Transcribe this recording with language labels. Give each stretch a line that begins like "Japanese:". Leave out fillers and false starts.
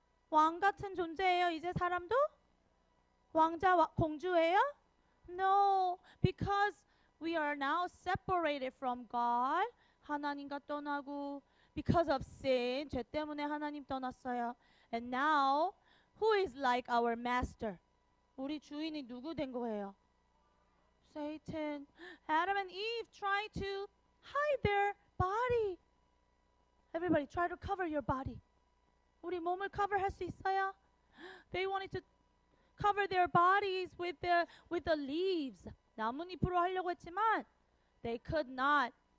Korean: 왕 같은 존재예요, 이제 사람도? 왕자, 공주예요?
English: No, because we are now separated from God.
Korean: 하나님과 떠나고
English: because of sin,
Korean: 죄 때문에 하나님 떠났어요.
English: And now, who is like our master?
Korean: 우리 주인이 누구 된 거예요?
English: Satan. Adam and Eve tried to hide their body. Everybody, try to cover your body.
Korean: 우리 몸을 cover 할 수 있어요?
English: They wanted to cover their bodies with the leaves. 나뭇잎으로 하려고 했지만 they could not.